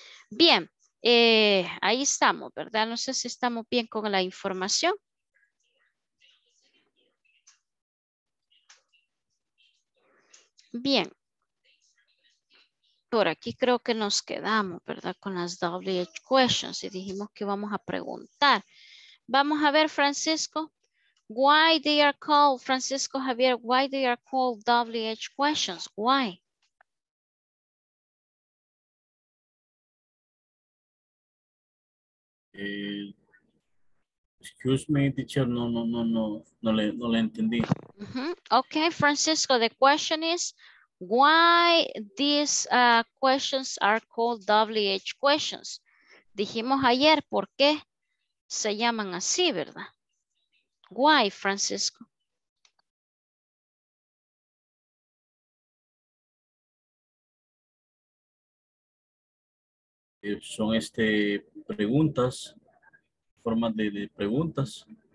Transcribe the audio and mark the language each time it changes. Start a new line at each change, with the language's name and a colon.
Spanish: Bien, ahí estamos, ¿verdad? No sé si estamos bien con la información. Bien. Por aquí creo que nos quedamos, ¿verdad? Con las WH questions y dijimos que vamos a preguntar. Vamos a ver, Francisco.
English: Why they are called, Francisco Javier, why they are called WH questions? Why? Excuse me, teacher,
Spanish: no le entendí. Mm-hmm.
English: Okay, Francisco, the question is why these questions are called WH questions?
Spanish: Dijimos ayer, ¿por qué se llaman así, verdad?
English: Why, Francisco?
Spanish: Son preguntas, formas de preguntas.